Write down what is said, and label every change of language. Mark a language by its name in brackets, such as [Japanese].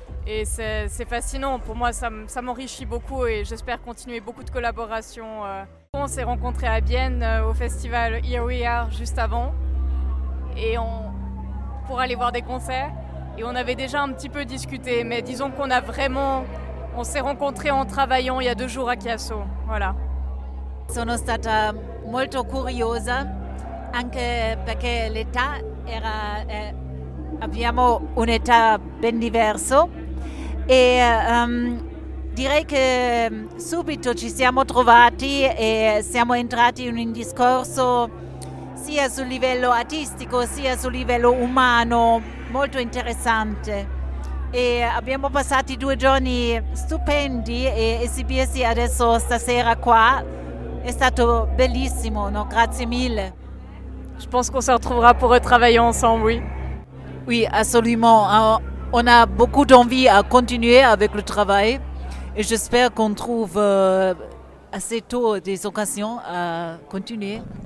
[French] Et c'est fascinant, pour moi ça m'enrichit beaucoup et j'espère continuer beaucoup de collaborations. On s'est rencontrés à Bienne au festival Here We Are juste avant et pour aller voir des concerts et on avait déjà un petit peu discuté, mais disons qu'on a vraiment, on s'est rencontrés en travaillant il y a 2 jours à Chiasso, voilà. [Italian] Sono stata molto curiosa anche perché l'età era abbiamo un età ben diverso. E direi che subito ci siamo trovati e siamo entrati in un discorso sia sul livello artistico sia sul livello umano molto interessante. E abbiamo passato 2 giorni stupendi e esibirsi adesso stasera qua è stato bellissimo, no? Grazie mille. [French] Je pense qu'on se retrouvera pour retravailler ensemble, oui. Oui, assolutamente. On a beaucoup d'envie à continuer avec le travail et j'espère qu'on trouve assez tôt des occasions à continuer.